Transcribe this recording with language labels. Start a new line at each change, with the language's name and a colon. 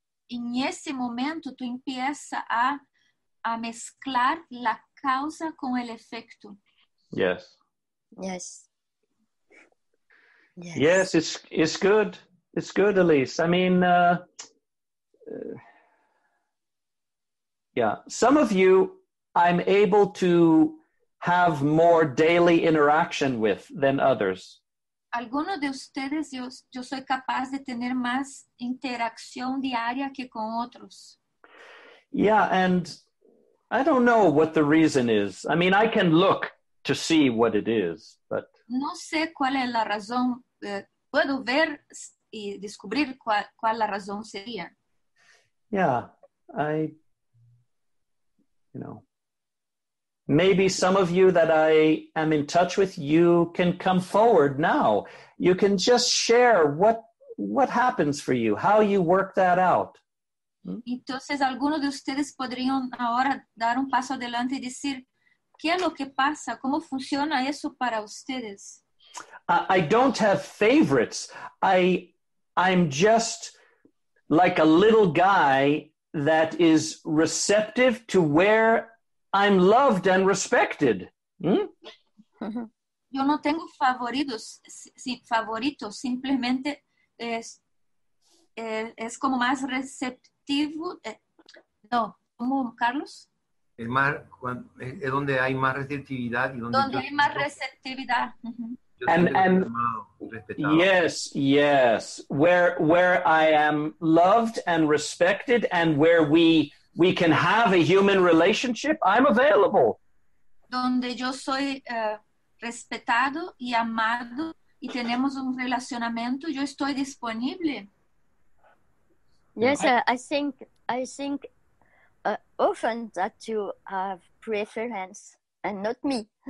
Spanish: En ese momento, tú empiezas a mezclar la causa con el efecto.
English: Yes. Yes. Yes. Yes, it's good. It's good, Elise. I mean, some of you I'm able to have more daily interaction with than others. Algunos de ustedes yo soy capaz de tener más interacción diaria que con otros. Yeah, and I don't know what the reason is. I mean, I can look to see what it is, but
Spanish: no sé cuál es la razón. Puedo ver y descubrir cuál la razón sería.
English: Yeah, I, maybe some of you that I am in touch with, you can come forward now. You can just share what happens for you, how you work that out.
Spanish: Entonces, algunos de ustedes podrían ahora dar un paso adelante y decir, ¿qué es lo que pasa? ¿Cómo funciona eso para ustedes?
English: I don't have favorites. I'm just like a little guy that is receptive to where I'm loved and respected.
Spanish: Yo no tengo favoritos. Simplemente es como más receptivo. ¿Cómo, Carlos? Es más, es donde hay más receptividad y donde hay más receptividad.
English: And yes, yes. Where I am loved and respected, and where we can have a human relationship, I'm available.
Spanish: Donde yo soy respetado y amado y tenemos un relacionamiento, yo estoy disponible.
English: Yes, I think. Often that you have preference and not me.